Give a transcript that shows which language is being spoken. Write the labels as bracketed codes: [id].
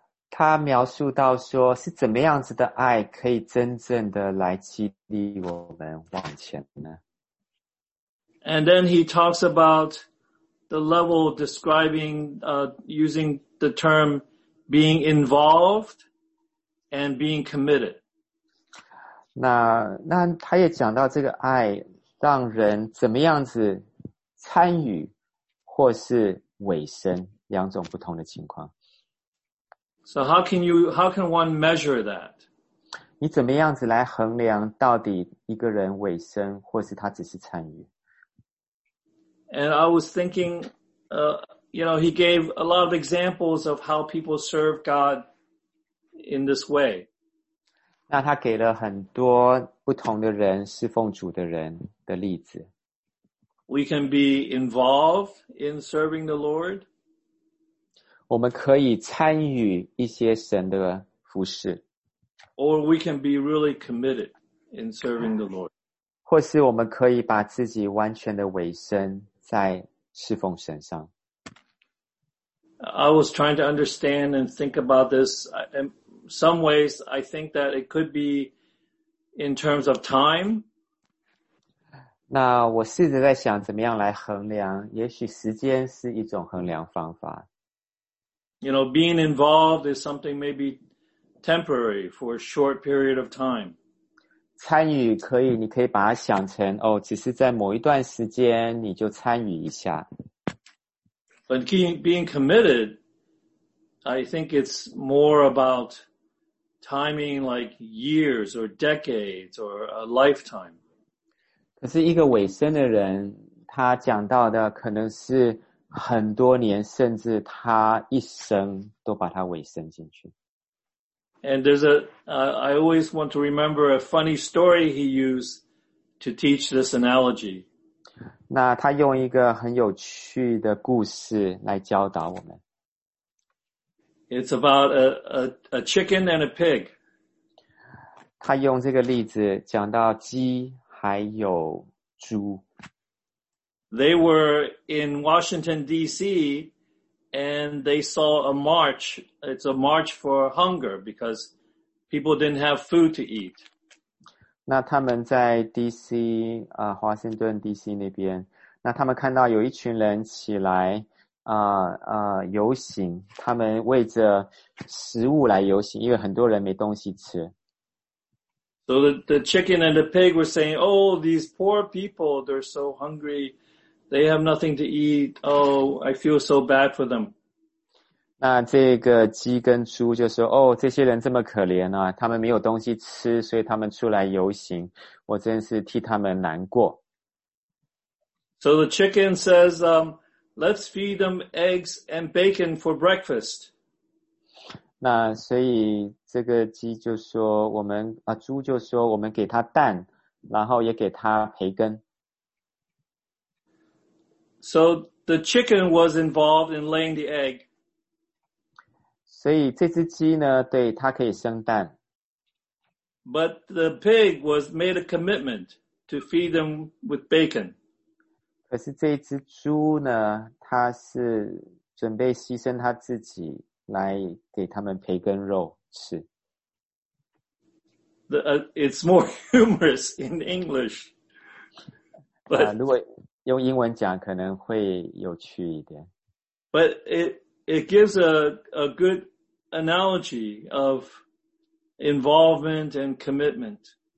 [zh] 他描述到说是怎么样子的爱可以真正的来激励我们往前呢？ [en] And then he talks about the level describing, using the term being involved and being committed. [zh] 那他也讲到这个爱让人怎么样子参与或是尾声，两种不同的情况。 [en] So how can one measure that? [zh] 你怎么样子来衡量到底一个人尾声，或是他只是参与？ [en] And I was thinking, you know, he gave a lot of examples of how people serve God in this way. [zh] 那他给了很多不同的人侍奉主的人的例子。 [en] We can be involved in serving the Lord. [zh] 我们可以参与一些神的服事。 [en] Or we can be really committed in serving the Lord. [zh] 或是我们可以把自己完全的委身在侍奉神上。 [en] I was trying to understand and think about this. In some ways, I think that it could be in terms of time. [zh] 那我试着在想怎么样来衡量，也许时间是一种衡量方法。 [en] You know, being involved is something maybe temporary for a short period of time. [zh] 参与可以，你可以把它想成哦，只是在某一段时间你就参与一下。 [en] But being committed, I think it's more about timing like years or decades or a lifetime. [zh] 可是一个尾声的人，他讲到的可能是很多年，甚至他一生都把他尾声进去。 [en] And there's I always want to remember a funny story he used to teach this analogy. [zh] 那他用一个很有趣的故事来教导我们。 [en] It's about a chicken and a pig. [zh] 他用这个例子讲到鸡还有猪。 [en] They were in Washington, D.C., and they saw a march. It's a march for hunger because people didn't have food to eat. [zh] 那他们在 D.C., 华盛顿 D.C. 那边，那他们看到有一群人起来游行，他们为着食物来游行，因为很多人没东西吃。 [en] So the chicken and the pig were saying, oh, these poor people, they're so hungry. They have nothing to eat. Oh, I feel so bad for them. [zh] 那这个鸡跟猪就说，哦，这些人这么可怜啊，他们没有东西吃，所以他们出来游行。我真是替他们难过。 [en] So the chicken says, let's feed them eggs and bacon for breakfast. [zh] 那所以这个鸡就说我们啊，猪就说我们给他蛋，然后也给他培根。 [en] So the chicken was involved in laying the egg. [zh] 所以这只鸡呢，对，它可以生蛋。 [en] But the pig was made a commitment to feed them with bacon. [zh] 可是这只猪呢，它是准备牺牲它自己来给他们培根肉吃。 [en] It's more humorous in English. But [zh] 如果用英文讲可能会有趣一点。 [en] But it gives a good analogy of involvement and commitment.